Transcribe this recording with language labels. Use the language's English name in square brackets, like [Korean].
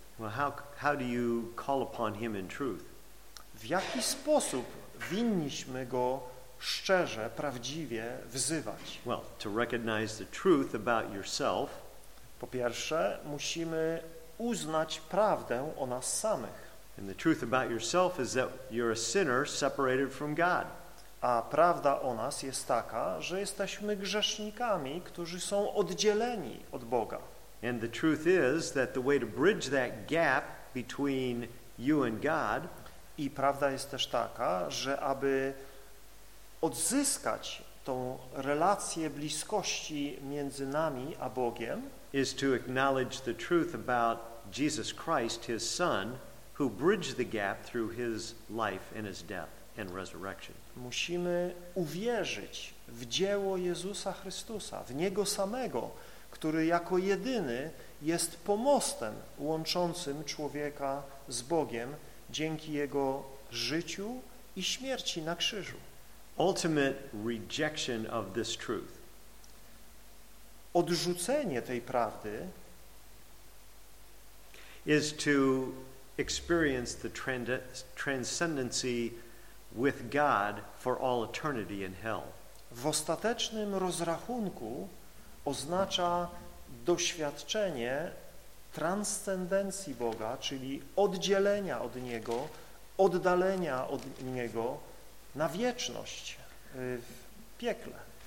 [English] Well, how do you call upon Him in truth? [Polish] W jaki sposób winniśmy Go szczerze, prawdziwie wzywać? [English] Well, to recognize the truth about yourself. [Polish] Po pierwsze, musimy uznać prawdę o nas samych. [English] And the truth about yourself is that you're a sinner separated from God. [Polish] A prawda o nas jest taka, że jesteśmy grzesznikami, którzy są oddzieleni od Boga. [English] And the truth is that the way to bridge that gap between you and God. [Polish] I prawda jest też taka, że aby odzyskać tą relację bliskości między nami a Bogiem, [English] is to acknowledge the truth about Jesus Christ, His Son, who bridged the gap through His life and His death and resurrection. [Polish] Musimy uwierzyć w dzieło Jezusa Chrystusa, w Niego samego, który jako jedyny jest pomostem łączącym człowieka z Bogiem dzięki Jego życiu i śmierci na krzyżu. [English] Ultimate rejection of this truth. [Polish] Odrzucenie tej prawdy [English] is to experience the transcendency with God for all eternity in hell. [Polish] W ostatecznym rozrachunku oznacza doświadczenie transcendencji Boga, czyli oddzielenia od Niego, oddalenia od Niego na wieczność w piekle.